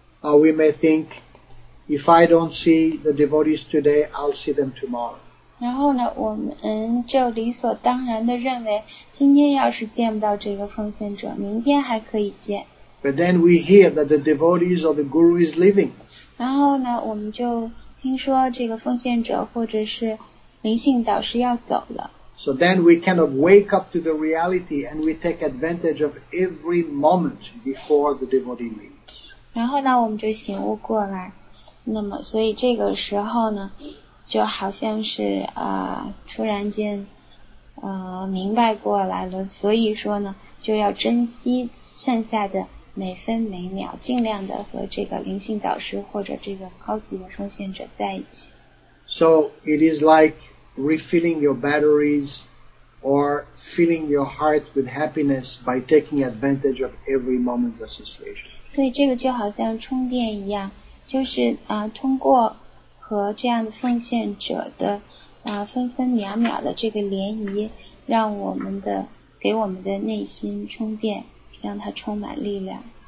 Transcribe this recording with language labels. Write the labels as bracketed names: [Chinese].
[English] Or we may think, if I don't see the devotees today, I'll see them tomorrow. [Chinese] 然后呢，我们就理所当然地认为，今天要是见不到这个奉献者，明天还可以见。 [English] But then we hear that the devotees or the guru is leaving. [Chinese] 然后呢，我们就听说这个奉献者或者是灵性导师要走了。 [English] So then we kind of wake up to the reality and we take advantage of every moment before the devotee leaves. [Chinese] 然后呢，我们就醒悟过来。那么，所以这个时候呢，就好像是突然间明白过来了。所以说呢，就要珍惜剩下的每分每秒，尽量的和这个灵性导师或者这个高级的奉献者在一起。 [English] So it is like refilling your batteries or filling your heart with happiness by taking advantage of every moment association. [Chinese] 所以这个就好像充电一样，就是通过和这样的奉献者的分分秒秒的这个联谊，让我们的给我们的内心充电，让它充满力量。